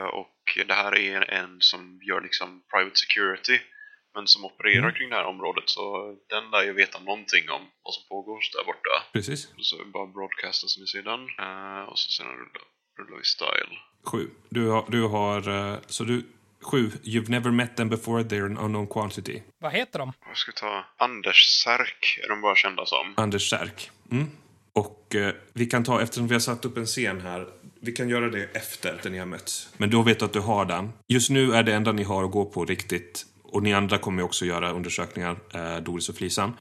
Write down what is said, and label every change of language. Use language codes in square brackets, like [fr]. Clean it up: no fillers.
[sv] Och det här är en som gör liksom private security men som opererar kring det här området, så den där jag vet någonting om vad som pågår där borta. Precis. Så bara broadcasta som i sidan och så sen rullar vi style. 7. Du har 7. [en] You've never met them before, they're an unknown quantity. [sv] Vad heter de? Jag ska ta Anders Särk, är de bara kända som. Anders Särk. Mm. Och vi kan ta, eftersom vi har satt upp en scen här, vi kan göra det efter att ni har mötts. Men då vet du att du har den. Just nu är det enda ni har att gå på riktigt. Och ni andra kommer också göra undersökningar, Doris och Flisan.